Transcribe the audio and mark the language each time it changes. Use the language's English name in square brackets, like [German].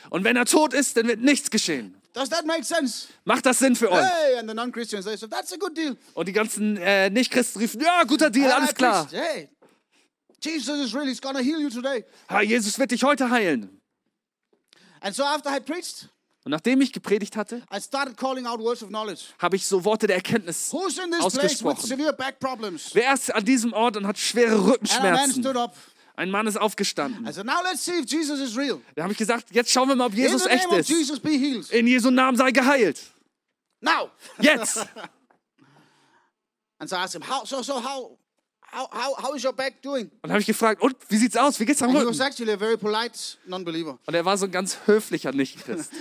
[German] Und wenn er tot ist, dann wird nichts geschehen. [English] Does that make sense? [German] Macht das Sinn für euch? [English] Hey, and the non-Christians, they said, that's a good deal. [German] Und die ganzen Nicht-Christen riefen, ja, guter Deal, alles klar. [English] Hey, Jesus is real, he's gonna heal you today. [German] Ha, Jesus wird dich heute heilen. [English] And so after I preached, [German] und nachdem ich gepredigt hatte, [English] I started calling out words of knowledge. [German] Habe ich so Worte der Erkenntnis [English] Who's in this [German] ausgesprochen. [English] Place with severe back problems? [German] Wer ist an diesem Ort und hat schwere Rückenschmerzen? [English] And a man stood up. [German] Ein Mann ist aufgestanden. [English] I said, now let's see if Jesus is real. [German] Da habe ich gesagt, jetzt schauen wir mal, ob Jesus [English] in the [German] echt [English] name [German] ist. [English] Of Jesus be healed. [German] In Jesu Namen sei geheilt. [English] Now. [German] Jetzt. [English] And so I asked him, how is your back doing? [German] Und habe ich gefragt, und wie sieht's aus? Wie geht's am Rücken? [English] He was actually a very polite non-believer. [German] Und er war so ein ganz höflicher Nicht-Christ.